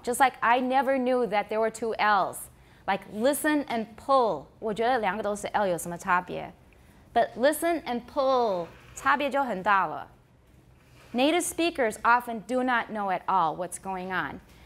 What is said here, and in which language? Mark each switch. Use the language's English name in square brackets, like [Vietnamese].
[English] Just like I never knew that there were two L's. Like listen and pull. [Chinese] 我觉得两个都是 L有什么差别? [English] But listen and pull. [Chinese] 差别就很大了. [English] Native speakers often do not know at all what's going on.